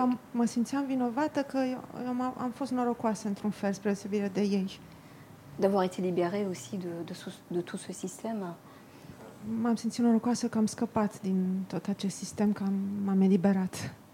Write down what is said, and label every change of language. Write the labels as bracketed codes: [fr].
[ro] mă simțeam vinovată că eu am fost norocoasă într-un fel, spre deosebire de ei. [fr] D'avoir été libérée aussi de tout ce système. [ro] M-am simțit norocoasă că am scăpat din tot acest sistem, că m-am eliberat.